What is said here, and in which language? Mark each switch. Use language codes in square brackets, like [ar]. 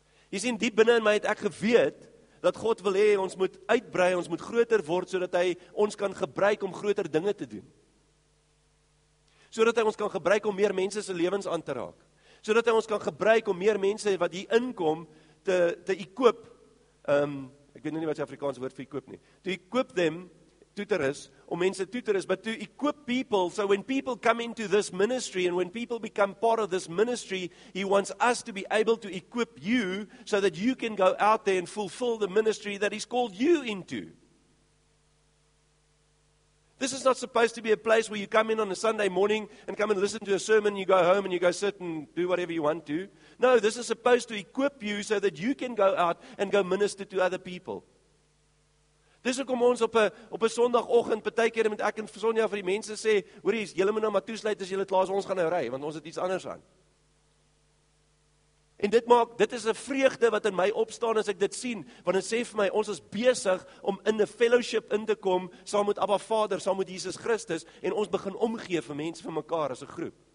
[af] Jy sien, diep binne in my het ek geweet dat God wil hê ons moet uitbrei, ons moet groter word sodat hy ons kan gebruik om groter dinge te doen. Sodat hy ons kan gebruik om meer mense se lewens aan te raak. Sodat hy ons kan gebruik om meer mense wat hier inkom te ekoop. Ek weet nie wat die Afrikaanse woord vir ekoop nie. [en] Toe ekoop them, toeteris, om mense toeteris, but to equip people, so when people come into this ministry, and when people become part of this ministry, he wants us to be able to equip you, so that you can go out there and fulfill the ministry that he's called you into. This is not supposed to be a place where you come in on a Sunday morning and come and listen to a sermon, you go home and you go sit and do whatever you want to. No, this is supposed to equip you so that you can go out and go minister to other people. [af] Dis hoekom ons op 'n Sondagoggend baie keer met ek en Sonja vir die mense sê, hoorie, julle moet nou maar toesluit as julle klaar is, ons gaan nou ry want ons het iets anders aan. En dit is 'n vreugde wat in my opstaan as ek dit sien, want dit sê vir my, ons is besig om in 'n fellowship in te kom, saam met Abba Vader, saam met Jesus Christus, en ons begin omgee vir mense vir mekaar as 'n groep.